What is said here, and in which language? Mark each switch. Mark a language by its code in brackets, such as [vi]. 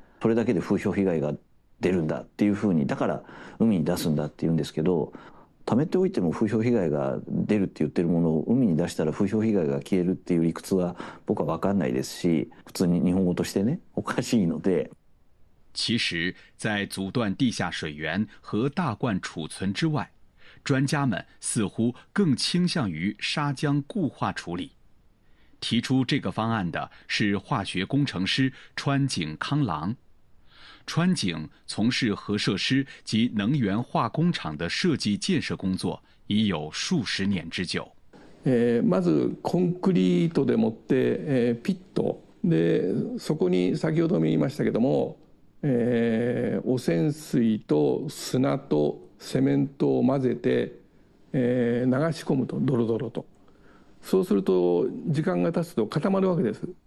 [ja] それだけで風評被害が出るんだっていうふうに、だから海に出すんだっていうんですけど、貯めておいても風評被害が出るって言ってるものを海に出したら風評被害が消えるっていう理屈は僕は分かんないですし、普通に日本語としてねおかしいので。 [zh] 其实在阻断地下水源和大罐储存之外，专家们似乎更倾向于砂浆固化处理。提出这个方案的是化学工程师川井康郎。川井从事核设施及能源化工厂的设计建设工作已有数十年之久。 [ja] まずコンクリートでもって、ピットでそこに先ほども言いましたけども、汚染水と砂とセメントを混ぜて、流し込むとドロドロと、そうすると時間が経つと固まるわけです。